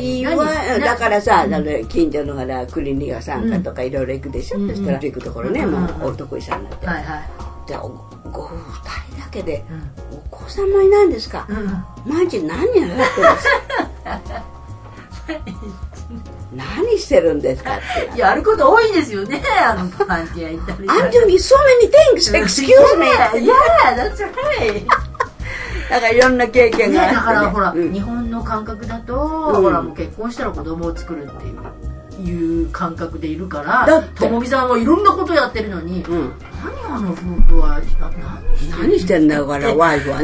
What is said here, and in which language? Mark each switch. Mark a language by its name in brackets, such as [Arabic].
[Japanese] いや、だからさ、近所のほら、クリニカさんかとかいろいろ行くでしょ、そしたら行くところね、もうお得意さんになって。はいはい、じゃあ、ご夫妻だけで、お子さんもいないんですか、毎日何やってるんですか何してるんですかって。やること多いですよね、あの、パンティア行ったり。 [English] I'm doing so many things, excuse me! Yeah, that's right! [Japanese] だからいろんな経験があって、ね、だからほら、日本の感覚だと、ほらもう結婚したら子供を作るっていう感覚でいるから、ともみさんはいろんなことやってるのに、何をの夫婦は何してるんだからワイフはね